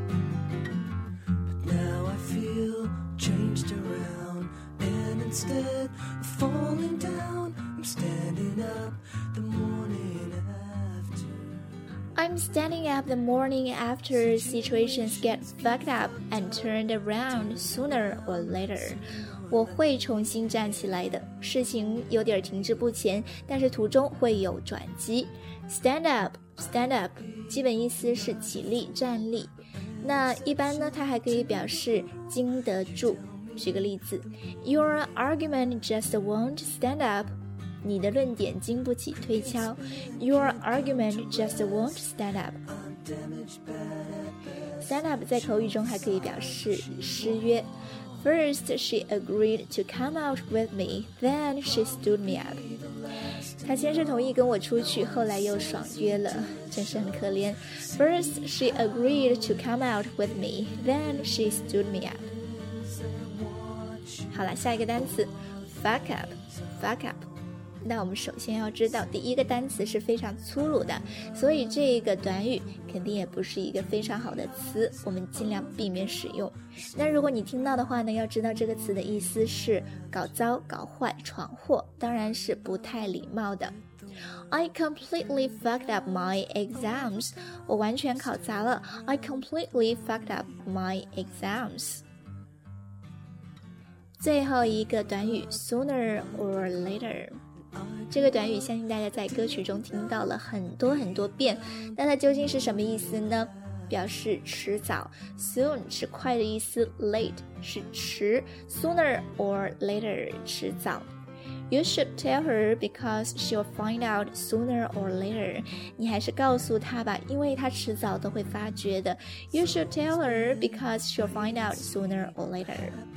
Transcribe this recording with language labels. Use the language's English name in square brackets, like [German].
[English] But now I feel changed around. And instead of falling down, I'm standing up the morning after. I'm standing up the morning after situations get fucked up and turned around sooner or later. [Chinese] 我会重新站起来的，事情有点停滞不前，但是途中会有转机。 Stand up, 基本意思是起立、站立。那一般呢，它还可以表示经得住。举个例子， [English] Your argument just won't stand up. [Chinese] 你的论点经不起推敲。 [English] Your argument just won't stand up. [Chinese] Stand up 在口语中还可以表示失约。 [English] First she agreed to come out with me, then she stood me up. [Chinese] 她先是同意跟我出去，后来又爽约了，真是很可怜。 [English] First she agreed to come out with me, then she stood me up. [Chinese] 好了，下一个单词 Fuck up. 那我们首先要知道第一个单词是非常粗鲁的，所以这个短语肯定也不是一个非常好的词，我们尽量避免使用。那如果你听到的话呢，要知道这个词的意思是搞糟、搞坏、闯祸，当然是不太礼貌的。 [English] I completely fucked up my exams. [Chinese] 我完全考砸了。 [English] I completely fucked up my exams. [Chinese] 最后一个短语 sooner or later。这个短语相信大家在歌曲中听到了很多很多遍，那它究竟是什么意思呢？表示迟早， soon 是快的意思， late 是迟， sooner or later 迟早。 [English] You should tell her because she'll find out sooner or later. [Chinese] 你还是告诉她吧，因为她迟早都会发觉的。 [English] You should tell her because she'll find out sooner or later.